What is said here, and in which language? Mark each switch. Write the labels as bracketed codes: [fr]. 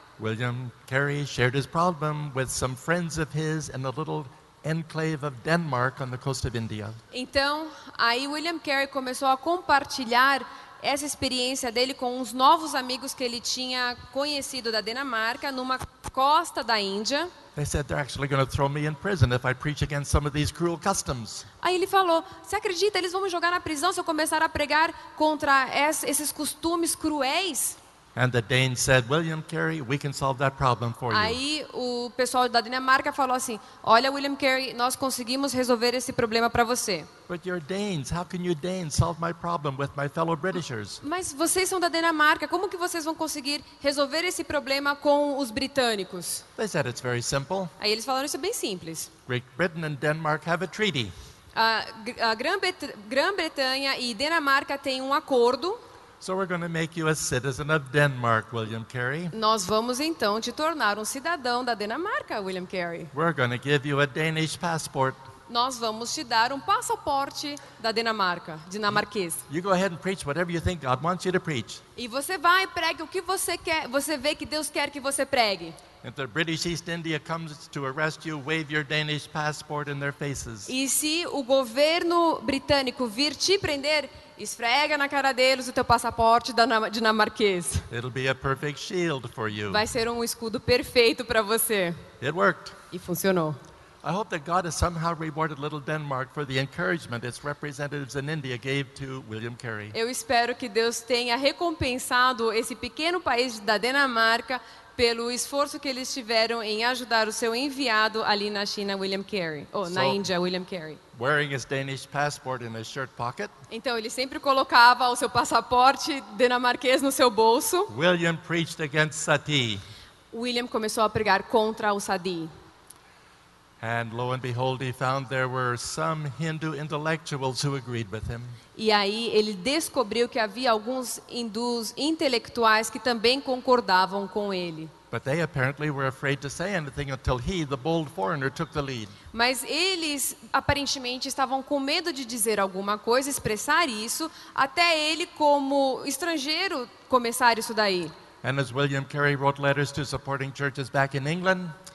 [en] William Carey shared his problem with some friends of his in a little enclave of Denmark on the coast of India. [pt] Então, aí William Carey começou a compartilhar essa experiência dele com uns novos amigos que ele tinha conhecido da Dinamarca numa costa da Índia. [en] They said they're actually going to throw me in prison if I preach against some of these cruel customs. [pt] Aí ele falou, você acredita, eles vão me jogar na prisão se eu começar a pregar contra esses costumes cruéis? [en] And the Danes said, William Carey, we can solve that problem for you. [pt] Aí o pessoal da Dinamarca falou assim, olha William Carey, nós conseguimos resolver esse problema para você. [en] But you're Danes, how can you Danes solve my problem with my fellow Britishers? [pt] Mas vocês são da Dinamarca, como que vocês vão conseguir resolver esse problema com os britânicos? [en] They said it's very simple. [pt] Aí eles falaram, isso é bem simples. [en] Great Britain and Denmark have a treaty. [pt] A Grã-Bretanha e Dinamarca têm um acordo. [en] So we're going to make you a citizen of Denmark, William Carey. [pt] Nós vamos então te tornar um cidadão da Dinamarca, William Carey. [en] We're going to give you a Danish passport. [pt] Nós vamos te dar um passaporte da Dinamarca, dinamarquês. [en] You go ahead and preach whatever you think God wants you to preach. [pt] E você vai e pregue o que você quer, você vê que Deus quer que você pregue. [en] If the British East India comes to arrest you, wave your Danish passport in their faces. [pt] E se o governo britânico vir te prender, esfrega na cara deles o teu passaporte dinamarquês. [en] It'll be a perfect shield for you. [pt] Vai ser um escudo perfeito para você. [en] It worked. [pt] E funcionou. [en] I hope that God has somehow rewarded little Denmark for the encouragement its representatives in India gave to William Carey. [pt] Eu espero que Deus tenha recompensado esse pequeno país da Dinamarca pelo esforço que eles tiveram em ajudar o seu enviado ali na China, William Carey. Oh, na Índia, William Carey. [en] Wearing his Danish passport in his shirt pocket. [pt] Então ele sempre colocava o seu passaporte dinamarquês no seu bolso. [en] William preached against sati. [pt] William começou a pregar contra o sati. [en] And lo and behold, he found there were some Hindu intellectuals who agreed with him. [pt] E aí ele descobriu que havia alguns hindus intelectuais que também concordavam com ele. [en] But they apparently were afraid to say anything until he, the bold foreigner, took the lead. [pt] Mas eles aparentemente estavam com medo de dizer alguma coisa, expressar isso, até ele, como estrangeiro, começar isso daí. [en] And as William Carey wrote letters to supporting churches back in England.